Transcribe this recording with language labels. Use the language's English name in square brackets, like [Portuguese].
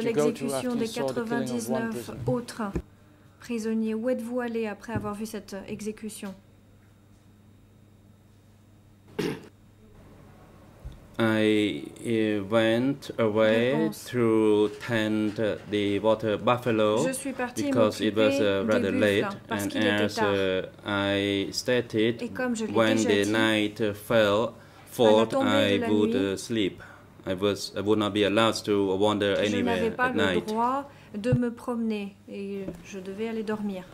[French] 99 autres prisonniers, prisonniers, où êtes-vous allé après avoir vu cette exécution? [English] I went away to tend the water buffalo because it was rather late, and as I stated, when the night fell, I would sleep. I would not be allowed to wander anywhere at night. [French] De me promener et je devais aller dormir.